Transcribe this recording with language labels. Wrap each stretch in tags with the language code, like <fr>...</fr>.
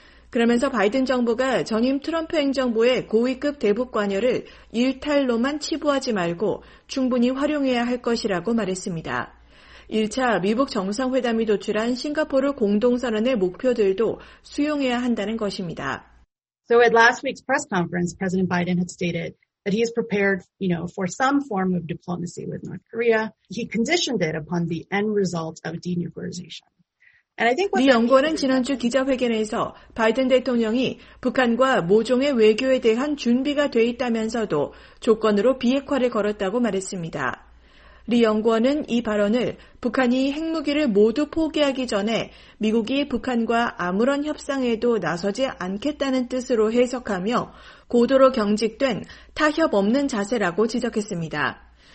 <ko>그러면서 바이든 정부가 전임 트럼프 행정부의 고위급 대북 관여를 일탈로만 치부하지 말고 충분히 활용해야 할 것이라고 말했습니다. 1차 미북 정상회담이 도출한 싱가포르 공동선언의 목표들도 수용해야 한다는 것입니다.</ko> <en>So at last week's press conference, President Biden had stated that he is prepared, you know, for some form of diplomacy with North Korea. He conditioned it upon the end result of denuclearization.</en> <ko>미 연구원은 지난주 기자회견에서 바이든 대통령이 북한과 모종의 외교에 대한 준비가 돼 있다면서도 조건으로 비핵화를 걸었다고 말했습니다. 리 연구원은 이 발언을 북한이 핵무기를 모두 포기하기 전에 미국이 북한과 아무런 협상에도 나서지 않겠다는 뜻으로 해석하며 고도로 경직된 타협 없는 자세라고 지적했습니다.</ko>